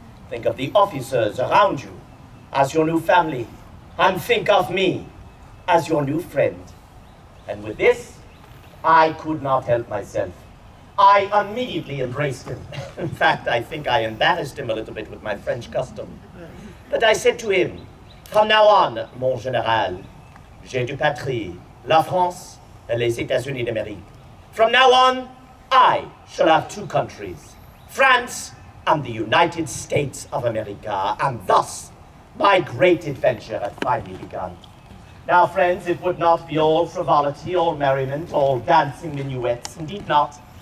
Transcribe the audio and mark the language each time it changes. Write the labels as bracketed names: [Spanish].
[English] Think of the officers around you as your new family, and think of me as your new friend. And with this, I could not help myself. I immediately embraced him. In fact, I think I embarrassed him a little bit with my French custom. But I said to him, From now on, [French] mon général, j'ai du patrie, la France et les États-Unis d'Amérique. [English] From now on, I shall have two countries, France and the United States of America, and thus my great adventure has finally begun. Now, friends, it would not be all frivolity, all merriment, all dancing minuets. Indeed not.